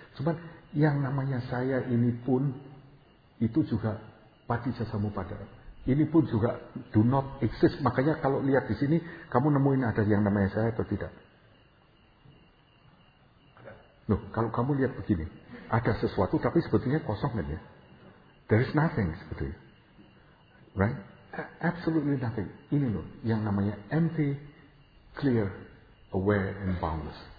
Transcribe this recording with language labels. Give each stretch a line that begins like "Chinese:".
Indonesian: Cuman yang namanya saya ini pun itu juga patijasamupada. Ini pun juga
English: do not exist.
Indonesian: Makanya kalau lihat di sini, kamu nemuin ada yang namanya saya atau tidak? Loh, kalau kamu lihat begini, ada sesuatu tapi sebetulnya kosong kan ya?
English: There is nothing
Indonesian: sebetulnya,
English: right? Absolutely nothing.
Indonesian: Ini loh, yang namanya empty.
English: Clear, aware, and boundless.